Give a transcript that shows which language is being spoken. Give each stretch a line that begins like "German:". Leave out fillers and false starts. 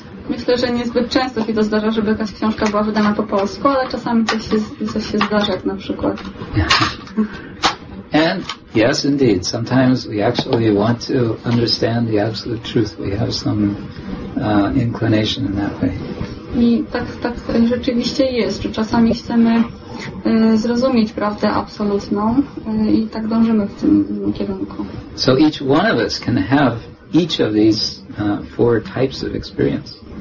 Polish: Myślę, że niezbyt często się to zdarza, żeby jakaś książka była wydana po polsku, ale czasami coś się zdarza, jak na przykład.
English: Yeah. And yes, indeed, sometimes we actually want to understand the absolute truth. We have some inclination in that way.
Polish: I tak rzeczywiście jest, że czasami chcemy zrozumieć prawdę absolutną i tak dążymy w tym kierunku.
English: So each one of us can have each of these four types of experience.